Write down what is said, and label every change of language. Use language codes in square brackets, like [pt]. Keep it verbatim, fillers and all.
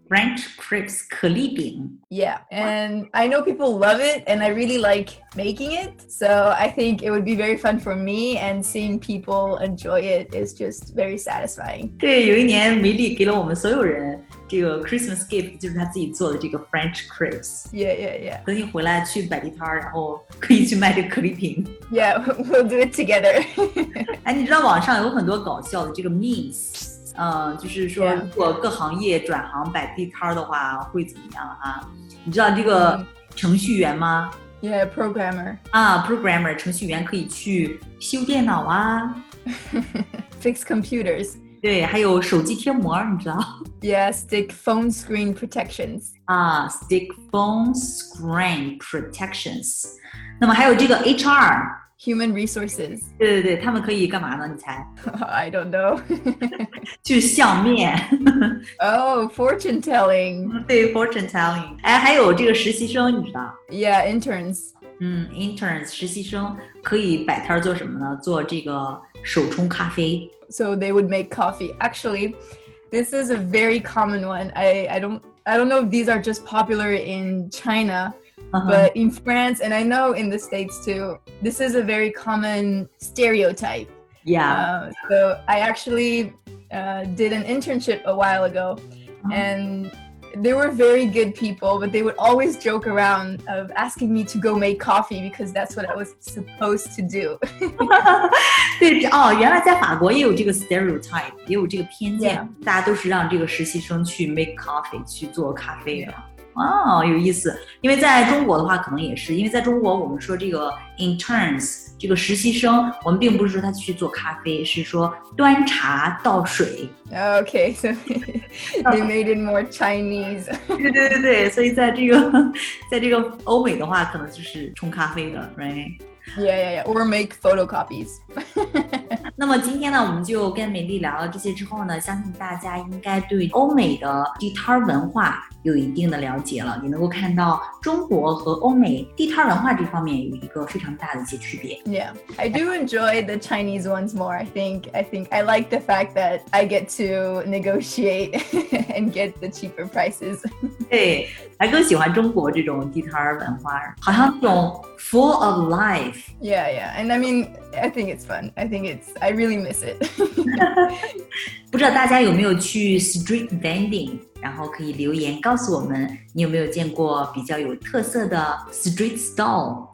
[en] French crepes, [zh] 可丽饼。 [en] Yeah, and I know people love it, and I really like making it. So I think it would be very fun for me, and seeing people enjoy it is just very satisfying. [zh] 对，有一年梅丽给了我们所有人这个 [en] Christmas gift， [zh] 就是她自己做的这个 French crepes. [en] Yeah, yeah, yeah. [zh] 等你回来去摆地摊，然后可以去卖这个可丽饼。 [en] Yeah, we'll do it together. [zh] 哎，你知道网上有很多搞笑的这个 memes。呃、嗯，就是说，如果各行业转行摆地摊的话，会怎么样啊？你知道这个程序员吗 [en] ？Yeah, programmer. [zh] 啊 ，programmer 程序员可以去修电脑啊 [en] ，fix computers. [zh] 对，还有手机贴膜，你知道 [en] ？Yeah, stick phone screen protections. 啊 ，stick phone screen protections. [zh] 那么还有这个 H R。 [en] Human resources. [zh] 对对对，他们可以干嘛呢？你猜 [en] ？I don't know. [zh] 去相面。 [en] Oh, fortune telling. 对 ，fortune telling. [zh] 哎，还有这个实习生，你知道 [en] ？Yeah, interns. [zh] 嗯 ，interns 实习生可以摆摊做什么呢？做这个手冲咖啡。 [en] So they would make coffee. Actually, this is a very common one. I I don't I don't know if these are just popular in China. Uh-huh. But in France, and I know in the States too, this is a very common stereotype. Yeah. Uh, so I actually uh, did an internship a while ago, uh-huh. and they were very good people, but they would always joke around of asking me to go make coffee because that's what I was supposed to do. [zh] 对哦，原来在法国也有这个 stereotype， 也有这个偏见， [en] yeah. [zh] 大家都是让这个实习生去 [en] make coffee， [zh] 去做咖啡的。Yeah. 哦，有意思。因为在中国的话，可能也是，因为在中国我们说这个 interns 这个实习生，我们并不是说他去做咖啡，是说端茶倒水。 [en] Okay, so they made it more Chinese. [zh] 对对对对，所以在这个在这个欧美的话，可能就是冲咖啡的 ，right？ [en] Yeah, yeah, yeah, or make photocopies. [zh] 那么今天呢，我们就跟美丽聊了这些之后呢，相信大家应该对欧美的地摊文化有一定的了解了。你能够看到中国和欧美地摊文化这方面有一个非常大的一些区别。 [en] Yeah, I do enjoy the Chinese ones more. I think, I think I like the fact that I get to negotiate and get the cheaper prices. [zh] 对，还更喜欢中国这种地摊文化，好像这种 [en] full of life. Yeah, yeah, and I mean, I think it's fun. I think it's, I really miss it. [zh] 不知道大家有没有去 street vending， 然后可以留言告诉我们你有没有见过比较有特色的 street stall.